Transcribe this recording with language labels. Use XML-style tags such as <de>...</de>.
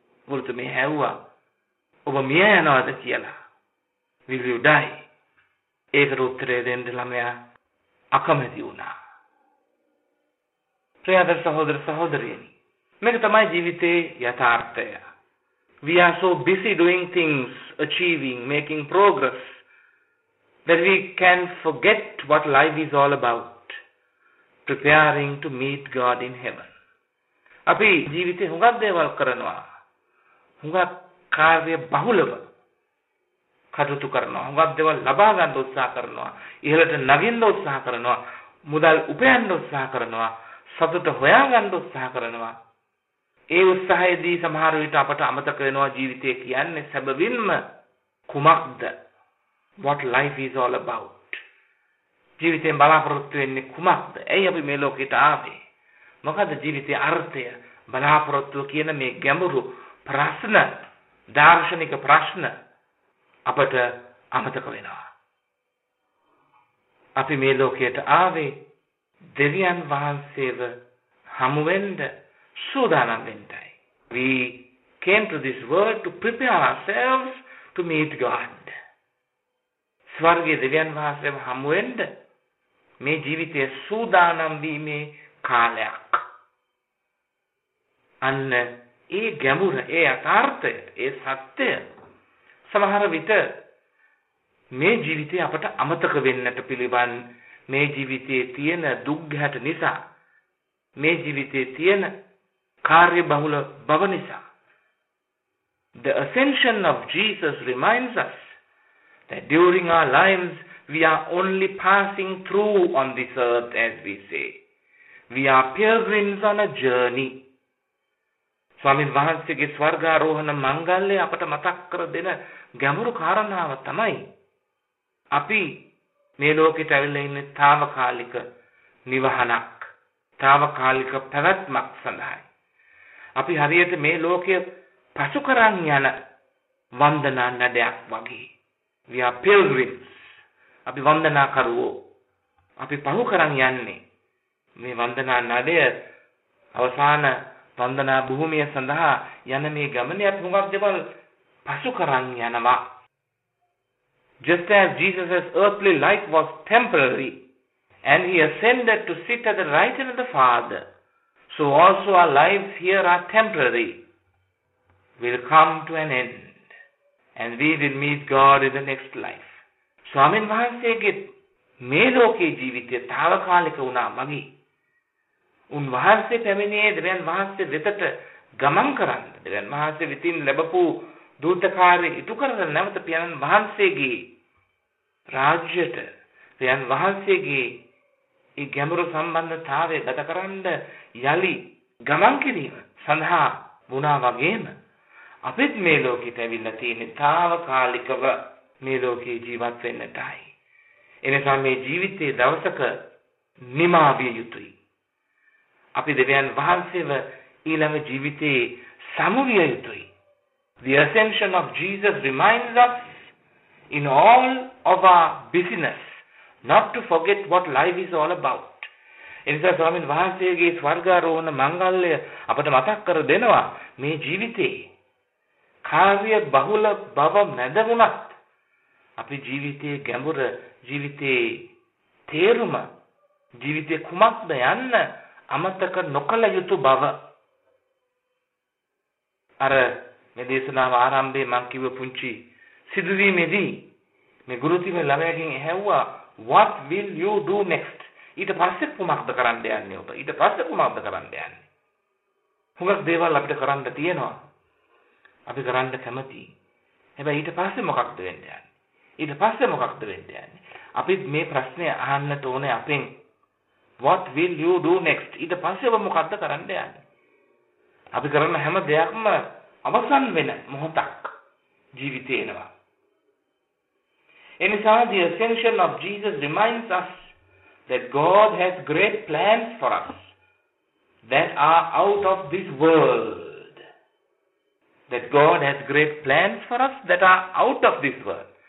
<si>ගුරුතුමිය හැව්වා, ඔබ මිය යනවාද කියලා.</si> <en>Will you die?</en> <si>ඒකට උත්තරේ දෙන්න ළමයා අකමැති වුණා. ප්‍රියදර සහෝදර සහෝදරියනි, මේක තමයි ජීවිතයේ යථාර්ථය. We are so busy doing things, achieving, making progress, that we can forget what life is all about, preparing to meet God in heaven. අපි ජීවිතේ හුඟක් දේවල් කරනවා, හුඟක් කාර්ය බහුලව කටයුතු කරනවා, හුඟක් දේවල් ලබා ගන්න උත්සාහ කරනවා, ඉහළට නගින්න උත්සාහ කරනවා, මුදල් උපයන්න උත්සාහ කරනවා, සතුට හොයාගන්න උත්සාහ කරනවා. ඒ උත්සාහයේදී සමහර විට අපට අමතක වෙනවා ජීවිතය කියන්නේ සැබවින්ම කුමක්ද?</si> <en>What life is all about?</en> <si>ජීවිතයෙන් බලාපොරොත්තු වෙන්නේ කුමක්ද? ඇයි අපි මේ ලෝකෙට ආවේ? මොකද ජීවිතයේ අර්ථය? බලාපොරොත්තු කියන මේ ගැඹුරු ප්‍රශ්න, දාර්ශනික ප්‍රශ්න අපට අමතක වෙනවා. අපි මේ ලෝකයට ආවේ දෙවියන් වහන්සේව හමුවෙන්ද සූදානම් වෙන්නයි.</si> <en>We came to this world to prepare ourselves to meet God.</en> <si>ස්වර්ගයේ දෙවියන් වහන්සේව හමුවෙන්ද මේ ජීවිතයේ සූදානම් වීමේ කාලයක්. අන්න ඒ ගැඹුර, ඒ යථාර්ථය, ඒ සත්‍ය සමහර විට මේ ජීවිතේ අපට අමතක වෙන්නට පිළිවන්. මේ ජීවිතයේ තියෙන දුක් ගැහැට නිසා, මේ ජීවිතයේ තියෙන කාර්ය බහුල බව නිසා,</si> <en>The ascension of Jesus reminds us that during our lives We are only passing through on this earth, as we say. We are pilgrims on a journey.</en> <si>ස්වාමීන් වහන්සේගේ ස්වර්ගාරෝහණ මංගල්‍ය අපට මතක් කර දෙන ගැඹුරු කාරණාව තමයි අපි මේ ලෝකෙට ඇවිල්ලා ඉන්නේ තාවකාලික නිවහනක් තාවකාලික පැවැත්මක් සඳහායි. අපි හරියට මේ ලෝකය පසු කරන් යන වන්දනා නඩයක් වගේ.</si> <en>We are pilgrims.</en> <si>අපි වන්දනා කරුවෝ. අපි පහු කරන් යන්නේ මේ වන්දනා නඩය අවසාන වන්දනා භූමිය සඳහා යන මේ ගමනේ අපි හුඟක් දේවල් පසු කරන් යනවා.</si> <en>Just as Jesus' earthly life was temporary and he ascended to sit at the right hand of the Father, so also our lives here are temporary. We'll come to an end and we will meet God in the next life.</en> <si>Swamin Vahansege me loke jeevithe thavakalika una magi. උන් වහන්සේ පැමිණියේ දෙවියන් වහන්සේ වෙතට ගමන් කරන්න. දෙවියන් වහන්සේ වෙතින් ලැබපු දූත කාර්යය ඉටු කරන නැවත පියන් වහන්සේගේ රාජ්‍යයට දෙවියන් වහන්සේගේ ඒ ගැඹුරු සම්බන්ධතාවය ගතකරන්න යලි ගමන් කිරීම සඳහා වුණා වගේම අපිත් මේ ලෝකෙට ඇවිල්ලා තියෙන තාවකාලිකව මේ ලෝකේ ජීවත් වෙන්නටයි. එනිසා මේ ජීවිතයේ දවසක නිමා විය යුතුයි. අපි දෙවියන් වහන්සේව ඊළඟ ජීවිතේ සමු විය යුතුයි.</si> <en>The ascension of Jesus reminds us in all of our business not to forget what life is all about.</en> <si>එනිසා ස්වාමීන් වහන්සේගේ ස්වර්ගාරෝහණ මංගල්‍ය අපට මතක් කර දෙනවා මේ ජීවිතේ කාර්ය බහුල බව මැදුණත් අපි ජීවිතයේ ගැඹුර ජීවිතයේ තේරුම ජීවිතේ කුමක්ද යන්න අමතක නොකළ යුතු බව. අර මේ දේශනාව ආරම්භයේ මම කිව්ව පුංචි සිදුවීමේදී මේ ගුරුතුමිය ළමයාගෙන් ඇහුවා</si> <en>what will you do next?</en> <si>ඊට පස්සේ කුමක්ද කරන්න යන්නේ ඔබ? ඊට පස්සේ කුමක්ද කරන්න යන්නේ? හුඟක් දේවල් අපිට කරන්න තියෙනවා. අපි කරන්න කැමති. හැබැයි ඊට පස්සේ මොකක්ද වෙන්න යන්නේ? ඊට පස්සේ මොකක්ද වෙන්න යන්නේ? අපි මේ ප්‍රශ්නේ අහන්නට ඕනේ අපෙන්.</si> <en>What will you do next?</en> <si>ඊට පස්සේ ඔබ මොකද්ද කරන්න යන්නේ? අපි කරන හැම දෙයක්ම අවසන් වෙන මොහොතක් ජීවිතේනවා. එනිසා</si> <en>the ascension of Jesus reminds us that God has great plans for us that are out of this world. That God has great plans for us that are out of this world.</en>